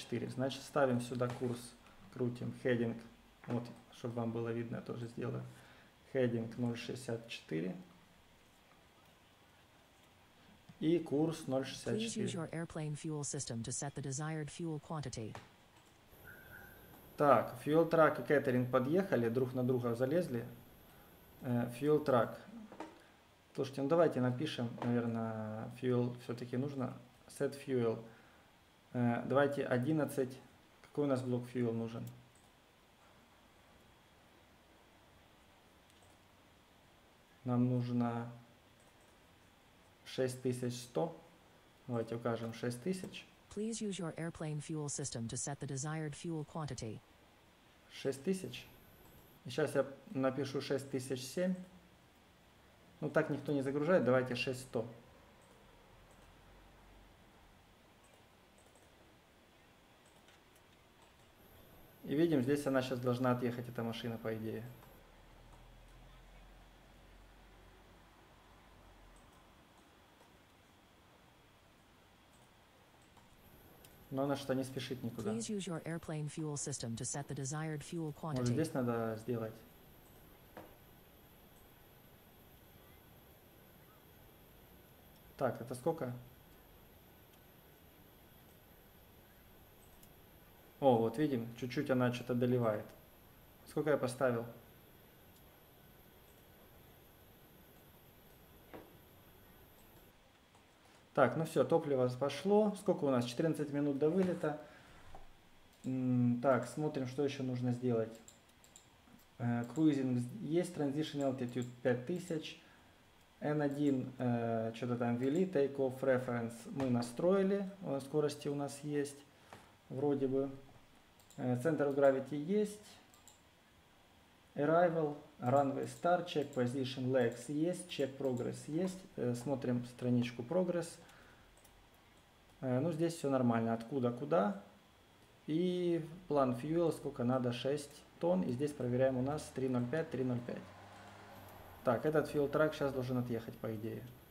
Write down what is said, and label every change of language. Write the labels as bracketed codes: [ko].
[ru] Значит, ставим сюда курс, крутим heading. Вот, чтобы вам было видно, я тоже сделаю. Heading 0.64 и курс 0.64. [en] Please use your airplane fuel system to set the desired fuel quantity. [ru] Так, fuel truck и catering подъехали, друг на друга залезли. [en] Fuel truck. [ru] Слушайте, ну давайте напишем, наверное, fuel все-таки нужно. [en] Set fuel. [ru] Давайте 11. Какой у нас блок fuel нужен? Нам нужно 6100. Давайте укажем 6000. [en] Please use your airplane fuel system to set the desired fuel quantity. [ru] 6000. И сейчас я напишу 6007. Ну так никто не загружает. Давайте 6100. И видим, здесь она сейчас должна отъехать, эта машина, по идее. Но она что-то не спешит никуда. [en] Please use your airplane fuel system to set the desired fuel quantity. [ru] Вот здесь надо сделать. Так, это сколько? О, вот видим, чуть-чуть она что-то доливает. Сколько я поставил? Так, ну все, топливо пошло. Сколько у нас? 14 минут до вылета. Так, смотрим, что еще нужно сделать. [en] Cruising есть, transition altitude 5000. [ru] N1, что-то там ввели, take off reference мы настроили, скорости у нас есть, вроде бы. [en] Center of gravity есть, arrival, runway start, check position legs есть, check progress есть. [ru] Смотрим страничку progress. Ну, здесь все нормально, откуда, куда. И план fuel, сколько надо, 6 тонн, и здесь проверяем у нас 3.05, 3.05. Так, этот фил-трак сейчас должен отъехать, по идее.